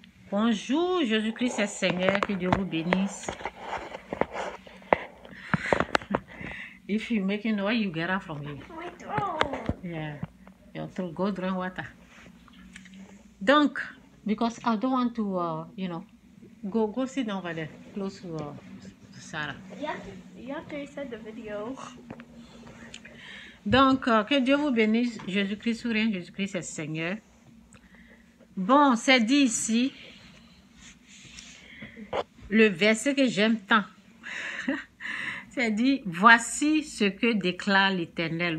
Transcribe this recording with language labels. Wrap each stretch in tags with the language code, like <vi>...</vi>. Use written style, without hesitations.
<fr>Bonjour, Jésus-Christ est Seigneur, que Dieu vous bénisse.</fr> <en>If you're making oil, you get out from here. My throat. Yeah, your throat. Go drink water. Donc, because I don't want to, you know, go sit down over there, close to Sarah. You have to reset the video.</en> <fr>Donc, que Dieu vous bénisse, Jésus-Christ souriant, Jésus-Christ est Seigneur. Bon, c'est dit ici, le verset que j'aime tant. C'est dit, voici ce que déclare l'Éternel.</fr>